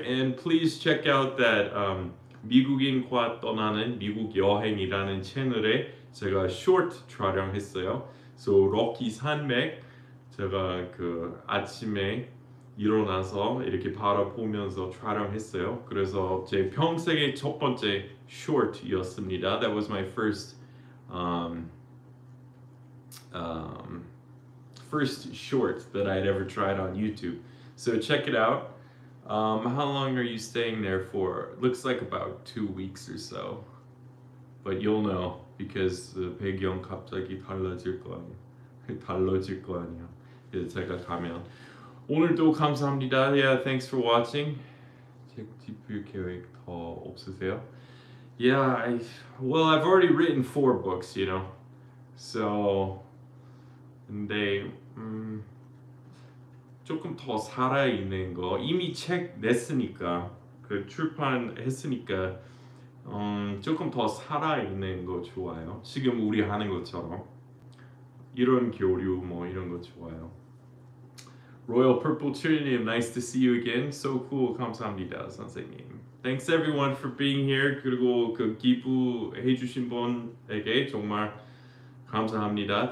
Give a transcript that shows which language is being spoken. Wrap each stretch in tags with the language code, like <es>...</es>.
<en>And please check out that</en> <ko>미국인과 떠나는 미국 여행이라는 채널에 제가 short 촬영했어요. So, Rocky 산맥. 제가 그 아침에 일어나서 이렇게 바라보면서 촬영했어요. 그래서 제 평생의 첫 번째 쇼트였습니다.</ko> <en>That was my first first short that I'd ever tried on YouTube. So check it out. How long are you staying there for? Looks like about 2 weeks or so. But you'll know because</en> <ko>배경 갑자기 달라질 거 아니에요. 달라질 거 아니에요. 이제 제가 가면. 오늘도 감사합니다.</ko> <en>Yeah, thanks for watching.</en> <ko>집필 계획 더 없으세요?</ko> <en>Yeah, I've already written 4 books, you know.</en> <ko>So, 근데 조금 더 살아있는 거 이미 책 냈으니까 그 출판했으니까 조금 더 살아있는 거 좋아요. 지금 우리 하는 것처럼 이런 교류 뭐 이런 거 좋아요.</ko> <en>Royal Purple Trillium, nice to see you again. So cool,</en> <ko>감사합니다, 선생님.</ko> <en>Thanks everyone for being here.</en> <ko>그리고 그 기부해주신 분에게 정말 감사합니다.</ko>